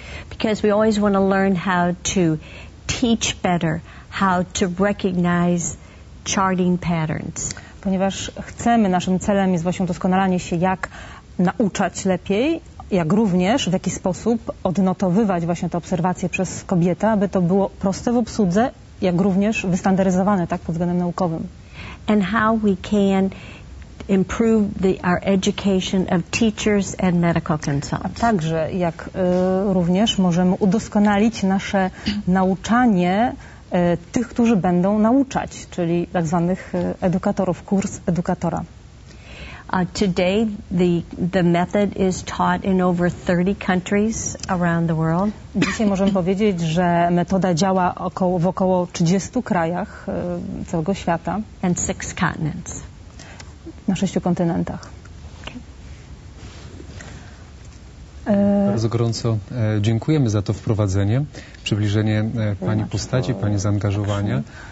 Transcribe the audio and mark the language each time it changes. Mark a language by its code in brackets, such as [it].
[en] Because we always want to learn how to teach better, how to recognize charting patterns. [pl] Ponieważ chcemy, naszym celem jest właśnie doskonalenie się, jak nauczać lepiej, jak również w jaki sposób odnotowywać właśnie te obserwacje przez kobietę, aby to było proste w obsłudze, jak również wystandaryzowane, tak, pod względem naukowym. [en] And how we can improve our education of teachers and medical consultants. [pl] A także jak również możemy udoskonalić nasze nauczanie tych, którzy będą nauczać, czyli tak zwanych edukatorów, kurs edukatora. [en] Today the method is taught in over 30 countries around the world. [pl] Dzisiaj możemy powiedzieć, że metoda działa w około 30 krajach całego świata. [en] And 6 continents. [pl] Na 6 kontynentach. Bardzo gorąco dziękujemy za to wprowadzenie, przybliżenie Pani postaci, Pani zaangażowania.